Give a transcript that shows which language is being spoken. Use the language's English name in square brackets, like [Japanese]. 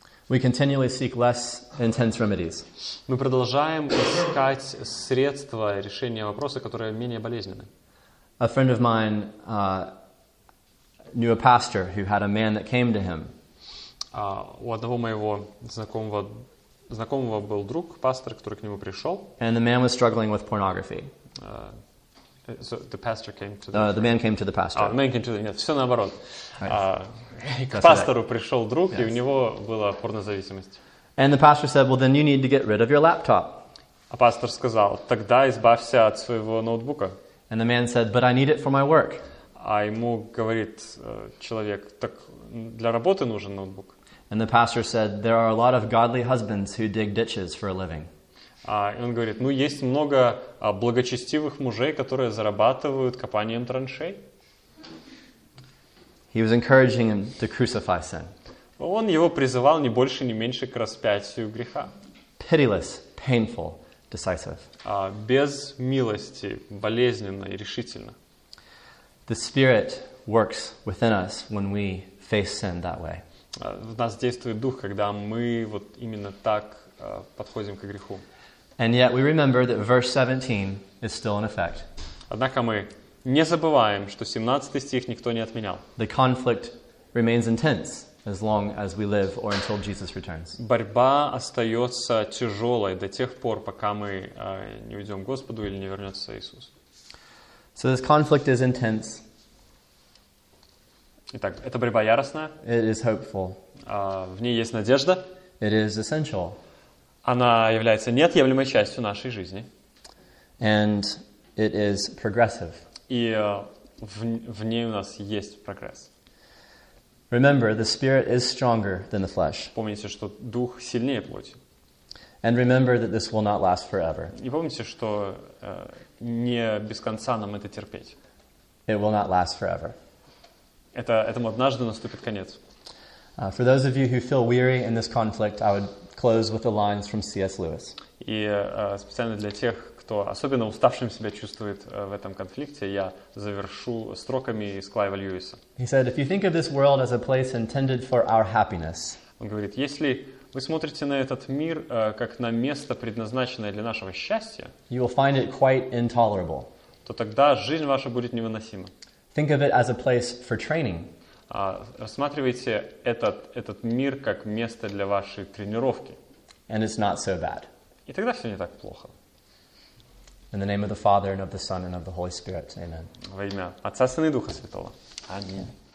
[English] We continually seek less intense remedies. [Russian] Мы продолжаем искать средства решения вопроса, которые менее болезненны. [English] A friend of mine knew a pastor who had a man that came to him. [Russian] У одного моего знакомого был друг, пастор, который к нему пришел. [English] And the man was struggling with pornography. The man came to the pastor. [Russian] Все наоборот. [English] Right. [Russian] К пастору пришел друг, [English] yes. [Russian] И у него была порнозависимость. [English] And the pastor said, well, then you need to get rid of your laptop. [Russian] А пастор сказал, тогда избавься от своего ноутбука. [English] And the man said, but I need it for my work. [Russian] А ему говорит человек, так для работы нужен ноутбук. [English] And the pastor said, there are a lot of godly husbands who dig ditches for a living. [Russian] И он говорит, есть много благочестивых мужей, которые зарабатывают копанием траншей. [English] He was encouraging him to crucify sin. [Russian] Он его призывал не больше, не меньше к распятию греха. [English] Pitiless, painful, decisive. [Russian] Без милости, болезненно и решительно. [English] The Spirit works within us when we face sin that way. [Russian] В нас действует Дух, когда мы именно так подходим к греху. [English] And yet we remember that verse 17 is still in effect. [Russian] Однако мы не забываем, что 17 стих никто не отменял. [English] The conflict remains intense as long as we live or until Jesus returns. [Russian] Борьба остается тяжелой до тех пор, пока мы не уйдем к Господу или не вернется Иисус. [English] So this conflict is intense. [Russian] Итак, эта борьба яростная. [English] It is hopeful. [Russian] В ней есть надежда. [English] It is essential. [Russian] Она является неотъемлемой частью нашей жизни. [English] And it is progressive. [Russian] И в ней у нас есть прогресс. [English] Remember, the spirit is stronger than the flesh. [Russian] Помните, что дух сильнее плоти. [English] And remember that this will not last forever. [Russian] И помните, что не без конца нам это терпеть. [English] It will not last forever. [Russian] Этому однажды наступит конец. [English] For those of you who feel weary in this conflict, I would close with the lines from C.S. Lewis. [Russian] И специально для тех, кто особенно уставшим себя чувствует в этом конфликте, я завершу строками из Клайва Льюиса. [English] He said, if you think of this world as a place intended for our happiness. [Russian] Он говорит, если вы смотрите на этот мир как на место, предназначенное для нашего счастья, [English] you will find it quite intolerable. [Russian] То тогда жизнь ваша будет невыносима. [English] Think of it as a place for training. [Russian] Рассматривайте этот мир как место для вашей тренировки. [English] and it's not so bad. [Russian] И тогда все не так плохо. [English] In the name of the Father, and of the Son, and of the Holy Spirit. Amen. [Russian] Во имя Отца, Сына и Духа Святого. Аминь.